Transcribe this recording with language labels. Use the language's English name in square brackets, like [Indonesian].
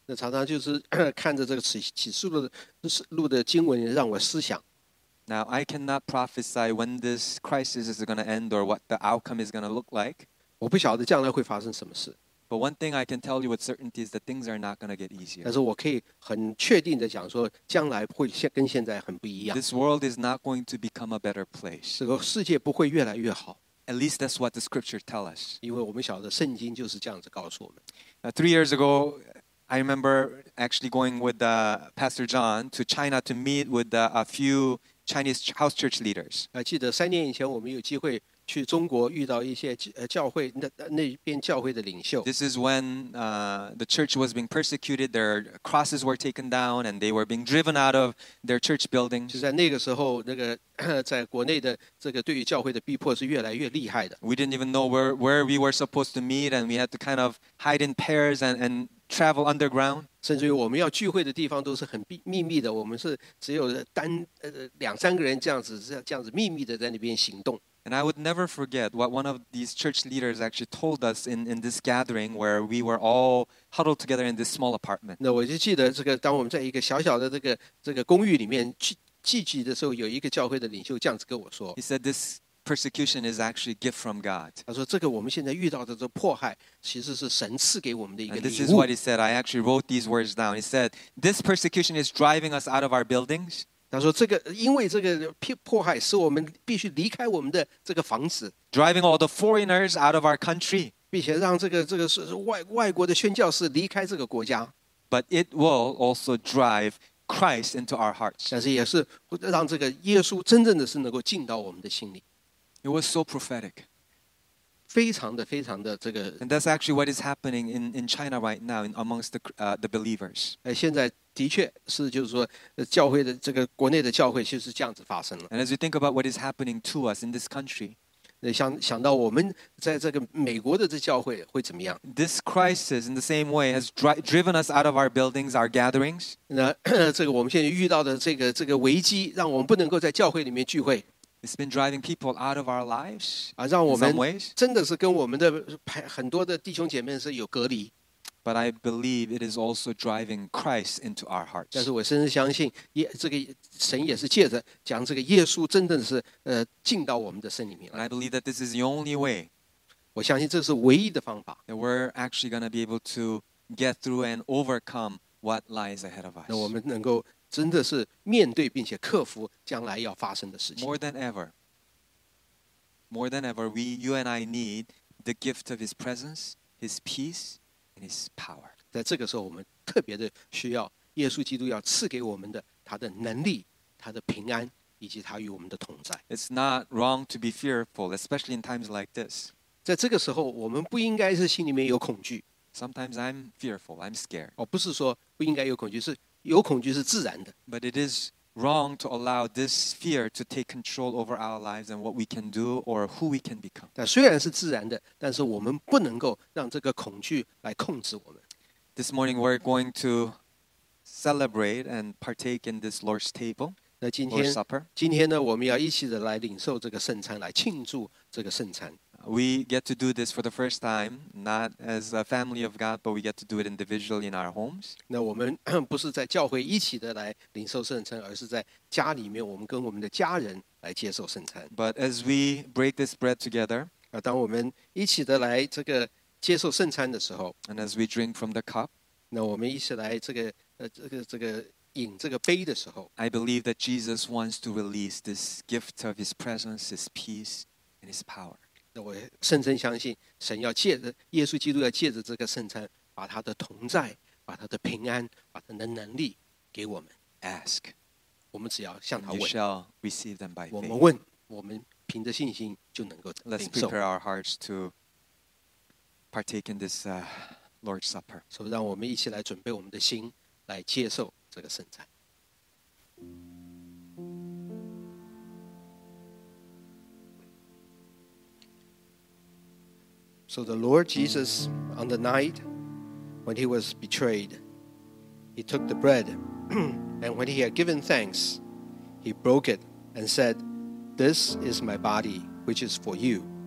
[Chinese] 那常常就是看着这个启示录的经文，让我思想。 [English] Now I cannot prophesy when this crisis is going to end or what the outcome is going to look like. [Chinese] 我不晓得将来会发生什么事。 [English] But one thing I can tell you with certainty is that things are not going to get easier. [Chinese] 但是我可以很确定的讲说，将来会跟现在很不一样。 [English] This world is not going to become a better place. [Chinese] 这个世界不会越来越好。 [English] At least that's what the scripture tells us. [Chinese] 因为我们晓得圣经就是这样子告诉我们。 [English] 3 years ago, I remember actually going with Pastor John to China to meet with a few Chinese house church leaders. [Chinese] 记得三年以前我们有机会去中国遇到一些教会那边教会的领袖。 [English] This is when the church was being persecuted. Their crosses were taken down, and they were being driven out of their church buildings. [Chinese] 就在那个时候，那个在国内的这个对于教会的逼迫是越来越厉害的。 [English] We didn't even know where we were supposed to meet, and we had to kind of hide in pairs and travel underground. [Chinese] 甚至于我们要聚会的地方都是很秘密的，我们是只有两三个人这样子秘密的在那边行动。 [English] And I would never forget what one of these church leaders actually told us in this gathering where we were all huddled together in this small apartment. [Chinese] 那我就记得这个，当我们在一个小小的这个公寓里面聚集的时候，有一个教会的领袖这样子跟我说。 [English] He said this persecution is actually a gift from God. [Chinese] 他说这个我们现在遇到的这迫害，其实是神赐给我们的一个礼物。 [English] And this is what he said. I actually wrote these words down. He said this persecution is driving us out of our buildings. [Chinese] 他说这个因为这个迫害使我们必须离开我们的这个房子 [English] driving all the foreigners out of our country [Chinese] 并且让这个外国的宣教士离开这个国家 [English] but it will also drive Christ into our hearts [Chinese] 但是也是让这个耶稣真正的是能够进到我们的心里 [English] it was so prophetic [Chinese] 非常的非常的这个 [English] and that's actually what is happening in China right now amongst the believers [Chinese] 现在的确是就是说教会的这个国内的教会就是这样子发生了 [English] And as you think about what is happening to us in this country [Chinese] 想到我们在这个美国的这教会会怎么样 [English] This crisis in the same way has driven us out of our buildings, our gatherings [Chinese] 那这个我们现在遇到的这个危机让我们不能够在教会里面聚会 [English] It's been driving people out of our lives [Chinese] 让我们真的是跟我们的很多的弟兄姐妹是有隔离 [English] But I believe it is also driving Christ into our hearts. [Chinese] 但是我深深相信，这个神也是借着将这个耶稣，真正是进到我们的身里面。 [English] And I believe that this is the only way. [Chinese] 我相信这是唯一的方法。 [English] That we're actually going to be able to get through and overcome what lies ahead of us. [Chinese] 那我们能够真的是面对并且克服将来要发生的事情。 [English] More than ever, you and I need the gift of His presence, His peace. And his power. [Chinese] 在这个时候我们特别的需要耶稣基督要赐给我们的他的能力他的平安以及他与我们的同在 [English] It's not wrong to be fearful especially in times like this [Chinese] 在这个时候我们不应该是心里面有恐惧 [English] Sometimes I'm fearful, I'm scared [Chinese] 哦，不是说不应该有恐惧是有恐惧是自然的 [English] But it is wrong to allow this fear to take control over our lives and what we can do or who we can become. [Chinese] 但虽然是自然的，但是我们不能够让这个恐惧来控制我们。 [English] This morning we're going to celebrate and partake in this Lord's table. [Chinese] 那今天 [English] Lord's Supper. [Chinese] 今天呢，我们要一起的来领受这个圣餐，来庆祝这个圣餐。 [English] We get to do this for the first time, not as a family of God, but we get to do it individually in our homes. [Chinese] 那我们不是在教会一起的来领受圣餐，而是在家里面，我们跟我们的家人来接受圣餐。 [English] But as we break this bread together, [Chinese] 当我们一起的来这个接受圣餐的时候 [English] ，and as we drink from the cup, [Chinese] 那我们一起来这个这个饮这个杯的时候 [English] ，I believe that Jesus wants to release this gift of His presence, His peace, and His power. [Chinese] 我深深相信神要借着耶稣基督要借着这个圣餐把他的同在把他的平安把他的能力给我们 [English] Ask [Chinese] 我们只要向他问 [English] You shall receive them by faith [Chinese] 我们问我们凭着信心就能够领受 [English] Let's prepare our hearts to partake in this Lord's Supper [Chinese] 所以让我们一起来准备我们的心来接受这个圣餐 [English] So the Lord Jesus, on the night when he was betrayed, he took the bread, and when he had given thanks, he broke it and said, This is my body, which is for you.